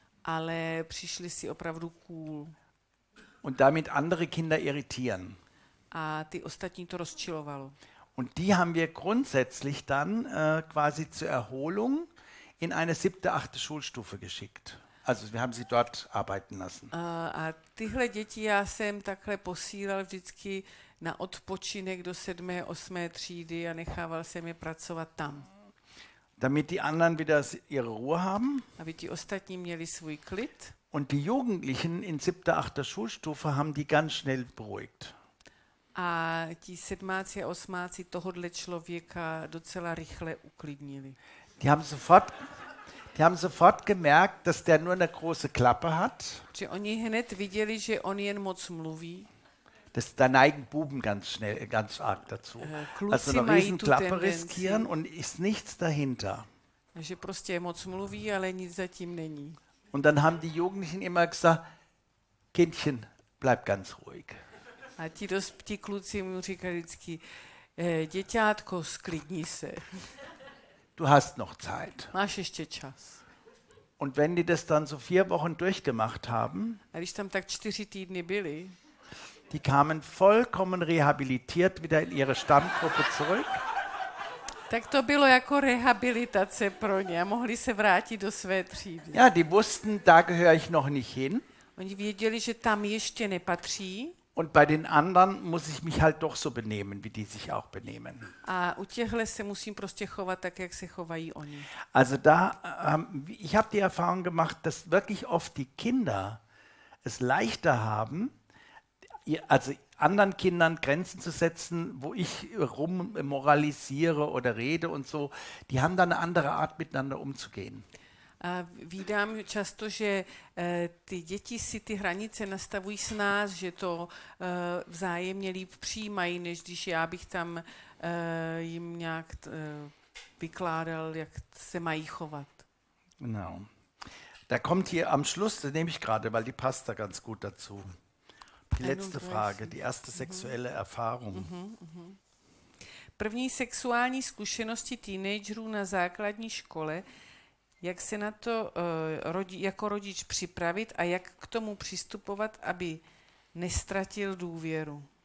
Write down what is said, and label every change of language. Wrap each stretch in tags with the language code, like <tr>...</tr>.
<cs>Ale přišli si opravdu cool.</cs> <de>Und damit andere Kinder irritieren.</de> <cs>A ty ostatní to rozčilovalo.</cs> <de>Und die haben wir grundsätzlich dann quasi zur Erholung in eine siebte, achte Schulstufe geschickt. Also wir haben sie dort arbeiten lassen.</de> <cs>A tyhle děti já jsem takhle posílal vždycky na odpočinek do sedmé, osmé třídy a nechával jsem je pracovat tam.</cs> <de>Damit die anderen wieder ihre Ruhe haben.</de> <cs>Aby ti ostatní měli svůj klid.</cs> <de>Und die Jugendlichen in siebter, achter Schulstufe haben die ganz schnell beruhigt.</de> <cs>A ti sedmáci a osmáci tohodle člověka docela rychle uklidnili.</cs> <de>Die haben sofort gemerkt, dass der nur eine große Klappe hat.</de> <cs>Že oni hned viděli, že on jen moc mluví.</cs> <de>Das, da neigen Buben ganz schnell, ganz arg dazu.</de> <cs>Kluci</cs> <de>also eine riesen Klappe riskieren und ist nichts dahinter.</de> <cs>Že prostě moc mluví, ale nic zatím není.</cs> <de>Und dann haben die Jugendlichen immer gesagt, Kindchen, bleib ganz ruhig.</de> <cs>A ti dospělí kluci mu říkali vždycky, děťátko, sklidni se.</cs> <de>Du hast noch Zeit.</de> <cs>Máš ještě čas.</cs> <de>Und wenn die das dann so vier Wochen durchgemacht haben,</de> <cs>a když tam tak čtyři týdny byli,</cs> <de>die kamen vollkommen rehabilitiert wieder in ihre Stammgruppe zurück.</de> <cs>Tak to bylo jako rehabilitace pro ně a mohli se vrátit do své třídy.</cs> <de>Ja, die wussten, da gehöre ich noch nicht hin.</de> <cs>Oni věděli, že tam ještě nepatří.</cs> <de>Und bei den anderen muss ich mich halt doch so benehmen, wie die sich auch benehmen.</de> <cs>A u těchhle se musím prostě chovat tak, jak se chovají oni.</cs> <de>Also da, ich habe die Erfahrung gemacht, dass wirklich oft die Kinder es leichter haben, also anderen Kindern Grenzen zu setzen, wo ich rummoralisiere oder rede und so. Die haben da eine andere Art, miteinander umzugehen.</de> <cs>Vídám často, že ty děti si ty hranice nastavují s nás, že to vzájemně líp přijímají, než když já bych tam jim nějak vykládal, jak se mají chovat. No.</cs> <de>Da kommt hier am Schluss, das nehme ich gerade, weil die passt da ganz gut dazu. Die letzte Frage, die erste sexuelle Erfahrung.</de> <cs>První sexuální zkušenosti teenagerů na základní škole. Jak se na to jako rodič připravit a jak k tomu přistupovat, aby nestratil důvěru?</cs>